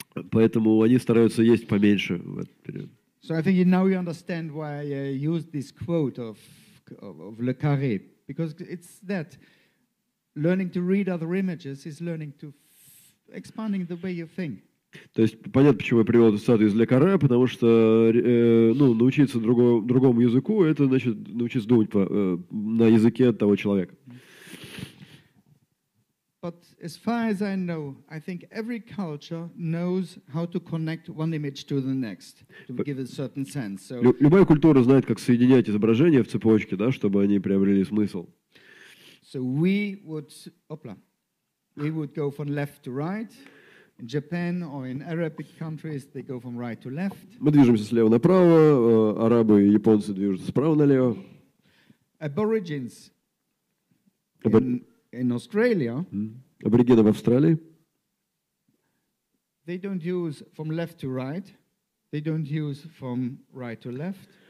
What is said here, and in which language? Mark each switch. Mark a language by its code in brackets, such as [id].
[ru] Поэтому они стараются есть поменьше в этот период. [en] So I think now you understand why I used this quote of Le Carré, because it's that. Learning to read other images is learning to expanding the way you think. [ru] То есть понятно, почему я привел эту цитату из Ле Карре, потому что научиться другому языку — это значит научиться думать на языке того человека. [en] But as far as I know, I think every culture knows how to connect one image to the next to give a certain sense. So [ru] любая культура знает, как соединять изображения в цепочке, да, чтобы они приобрели смысл. [en] So we would go from left to right. In Japan or in Arabic countries, they go from right to left. [ru] Мы движемся слева направо, арабы и японцы движутся справа налево. [en] Aborigines in Australia. [ru] Аборигены в Австралии. [en] They don't use from left to right. They don't use from right to left.